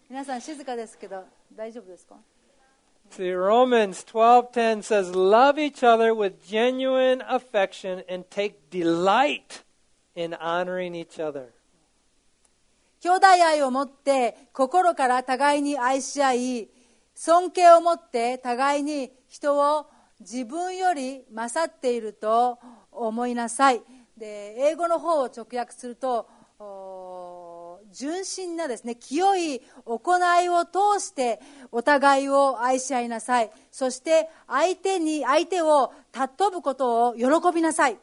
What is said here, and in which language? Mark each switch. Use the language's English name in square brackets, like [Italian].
[Japanese] 皆さん静かですけど大丈夫ですか? [English] See, Romans 12:10 says, Love each other with genuine affection and take delight in honoring each other. [Japanese] 兄弟愛を持って心から互いに愛し合い尊敬を持って互いに人を自分より勝っていると思いなさいで英語の方を直訳すると純真なですね清い行いを通してお互いを愛し合いなさいそして相手を尊ぶことを喜びなさい